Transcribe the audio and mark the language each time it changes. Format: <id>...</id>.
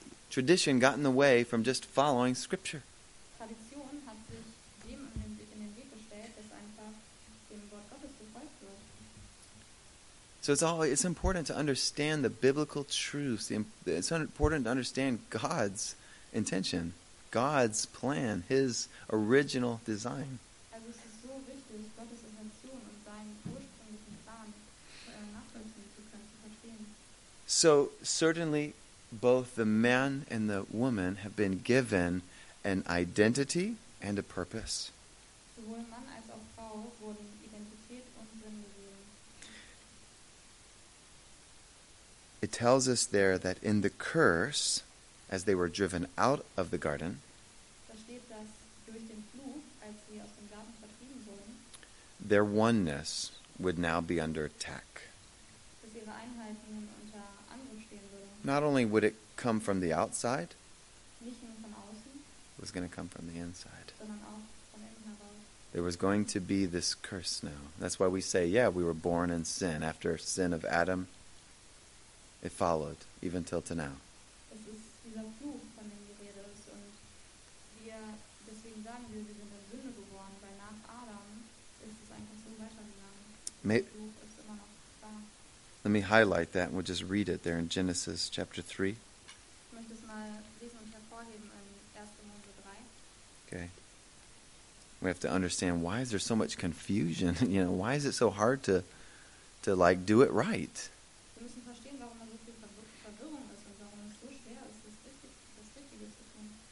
<en>Tradition got in the way from just following Scripture.</en> <de>Tradition hat sich dem in den Weg gestellt, dass einfach dem Wort Gottes gefolgt wird.</de> <en>So it's important to understand the biblical truths. It's important to understand God's intention, God's plan, His original design.</en> <de>Also es ist so wichtig, Gottes Intention und seinen ursprünglichen Plan nachvollziehen zu können, zu verstehen.</de> <en>So certainly, both the man and the woman have been given an identity and a purpose.</en> <de>Sowohl Mann als auch Frau wurden Identität und Sinn gegeben.</de> <en>It tells us there that in the curse, as they were driven out of the garden,</en> <de>da steht, dass durch den Fluch, als sie aus dem Garten vertrieben wurden,</de> <en>their oneness would now be under attack.</en> <de>Dass ihre Einheit nun unter Angriff stehen würde.</de> <en>Not only would it come from the outside,</en> <de>nicht nur von außen,</de> <en>it was going to come from the inside.</en> <de>Sondern auch von innen heraus.</de> <en>There was going to be this curse now. That's why we say, yeah, we were born in sin. After sin of Adam, it followed, even till to now.</en> <de>Es ist dieser Fluch, von dem die Rede ist. Und wir, deswegen sagen wir, wir sind in Sünde geboren, weil nach Adam ist es einfach so weitergegangen.</de> <en>Let me highlight that and we'll just read it there in Genesis chapter 3.</en> <de>Ich möchte es mal lesen und hervorheben in 1. Mose 3.</de> <en>Okay. We have to understand, why is there so much confusion? You know, why is it so hard to like do it right?</en> <de>Wir müssen verstehen, warum da so viel Verwirrung ist und warum es so schwer ist, das Richtige zu tun.</de>